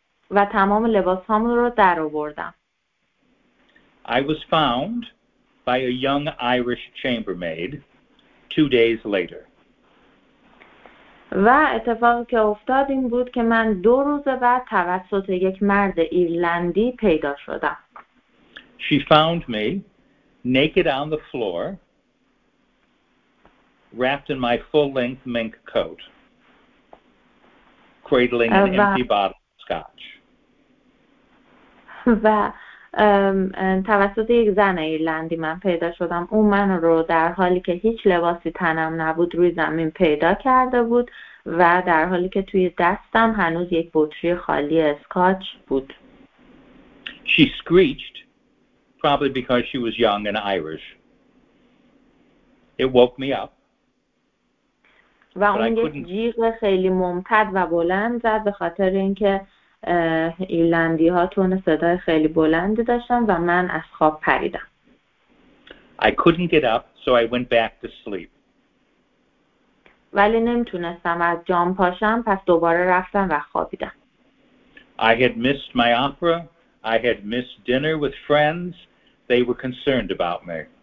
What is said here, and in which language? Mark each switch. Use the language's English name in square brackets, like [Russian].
[Persian] و تمام لباسام رو در آوردم. [English] I was found by a young Irish chambermaid 2 days later. [Persian] و اتفاقی که افتاد این بود که من 2 روز بعد توسط یک مرد ایرلندی پیدا شدم. [English] She found me naked on the floor wrapped in my full-length mink coat cradling an empty bottle of scotch. [Persian] و توسط یک زن ایرلندی من پیدا شدم. اون من رو در حالی که هیچ لباسی تنم نبود روی زمین پیدا کرده بود و در حالی که توی دستم هنوز یک بطری خالی اسکاچ بود. [English] She screeched probably because she was young and Irish. It woke me up. [Persian] و اون یه جیغ خیلی ممتد و بلند زد به خاطر اینکه ایرلندی ها تون صدای خیلی بلندی داشتن و من از خواب پریدم. [English] I couldn't get up, so I went back to sleep. [Persian] ولی نمیتونستم از جام پاشم پس دوباره رفتم و خوابیدم. [English] I had missed my opera. I had missed dinner with friends. They were concerned about me.